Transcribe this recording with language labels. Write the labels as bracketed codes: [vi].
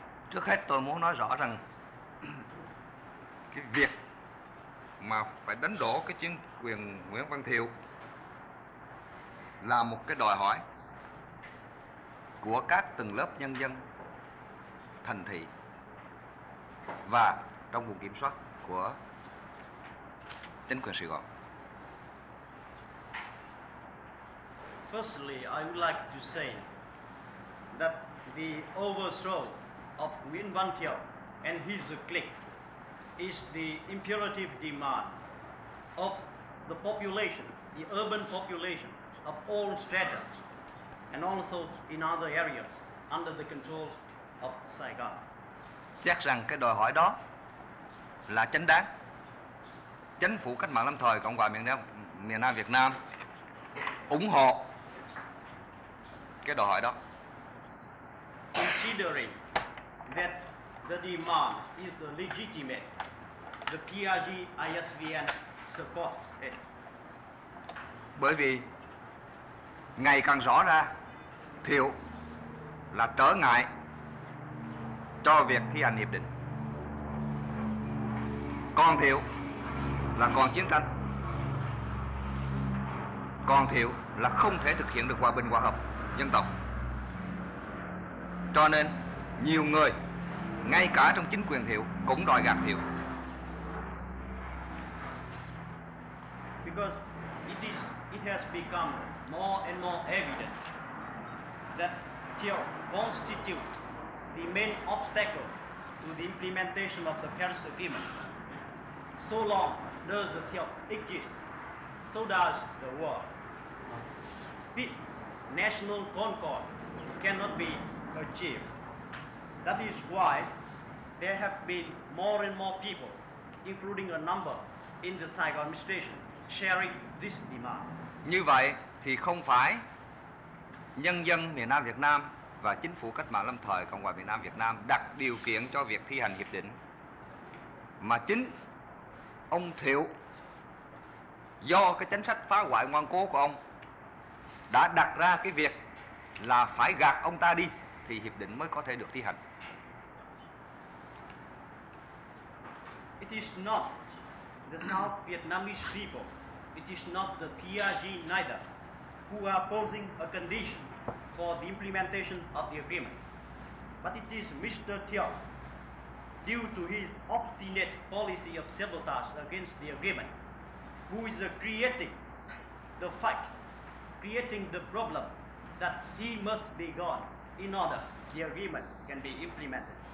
[vi] Trước hết tôi muốn nói rõ rằng cái việc mà phải đánh đổ cái chính quyền Nguyễn Văn Thiệu là một cái đòi hỏi của các tầng lớp nhân dân thành thị và trong vùng kiểm soát của chính quyền Sài Gòn. [en] Firstly, I would like to say that the overthrow of Nguyễn Văn Thiệu and his clique is the imperative demand of the population, the urban population of all strata and also in other areas under the control of Saigon. [vi] Xét rằng cái đòi hỏi đó là chính đáng, chính phủ cách mạng lâm thời Cộng hòa miền Nam Việt Nam ủng hộ cái đòi hỏi đó. [en] Considering that the demand is legitimate, the PRG-ISVN supports it. [vi] Bởi vì ngày càng rõ ra Thiệu là trở ngại cho việc thi hành hiệp định. Còn Thiệu là còn chiến tranh. Còn Thiệu là không thể thực hiện được hòa bình hòa hợp dân tộc. Cho nên nhiều người ngay cả trong chính quyền Thiệu cũng đòi gạt Thiệu. [en] Because it has become more and more evident that Thiệu constitute the main obstacle to the implementation of the Paris Agreement. So long does Thiệu exist, so does the world. Peace, national concord cannot be achieved. That is why there have been more and more people, including a number in the Saigon administration, sharing this demand. [vi] Như vậy thì không phải nhân dân miền Nam Việt Nam và chính phủ cách mạng lâm thời Cộng hòa miền Nam Việt Nam đặt điều kiện cho việc thi hành hiệp định, mà chính ông Thiệu do cái chính sách phá hoại ngoan cố của ông đã đặt ra cái việc là phải gạt ông ta đi thì hiệp định mới có thể được thi hành. [en] It is not the South Vietnamese people, it is not the PRG neither, who are posing a condition for the implementation of the agreement. But it is Mr. Thiệu, due to his obstinate policy of sabotage against the agreement, who is creating the fight, creating the problem that he must be gone in order the agreement can be implemented.